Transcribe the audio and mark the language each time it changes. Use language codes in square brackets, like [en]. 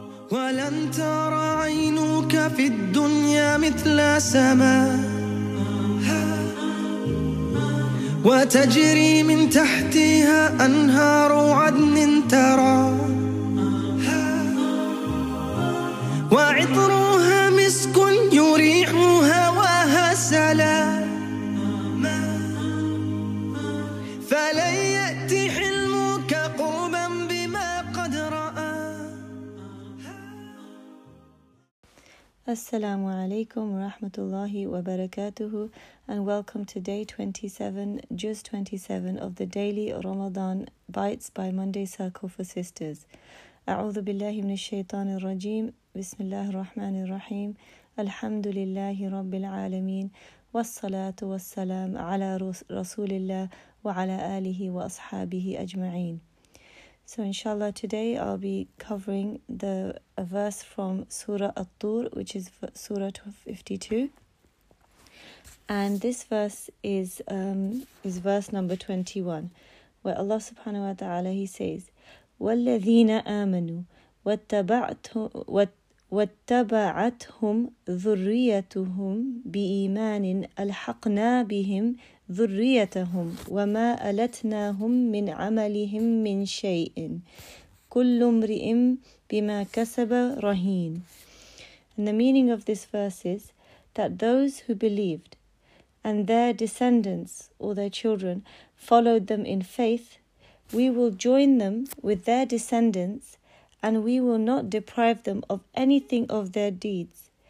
[ar] ولن ترى عينك في الدنيا مثل سماء وتجري من تحتها أنهار عدن ترى وعطرها مسك يريح هواها سلاما فلن يأتي حلمك قربا بما قد رأى. السلام عليكم ورحمة الله وبركاته. [en] And welcome to day 27, just 27, of the daily Ramadan Bites by Monday Circle for Sisters. [ar] أعوذ بالله من الشيطان الرجيم. بسم الله الرحمن الرحيم. الحمد لله رب العالمين. والصلاة والسلام على رسول الله وعلى آله وأصحابه أجمعين. [en] So inshallah, today I'll be covering a verse from Surah At-Tur, which is Surah 52. And this verse is verse number 21, where Allah subhanahu wa ta'ala, he says, [ar] وَالَّذِينَ آمَنُوا وَاتَّبَعَتْهُمْ ذُرِّيَّتُهُمْ بِإِيمَانٍ أَلْحَقْنَا بِهِمْ ذُرِّيَّتَهُمْ وَمَا أَلَتْنَاهُمْ مِنْ عَمَلِهِمْ مِنْ شَيْءٍ كُلُّ امْرِئٍ بِمَا كَسَبَ رَهِينٌ. [en] And the meaning of this verse is that those who believed and their descendants or their children followed them in faith, we will join them with their descendants and we will not deprive them of anything of their deeds.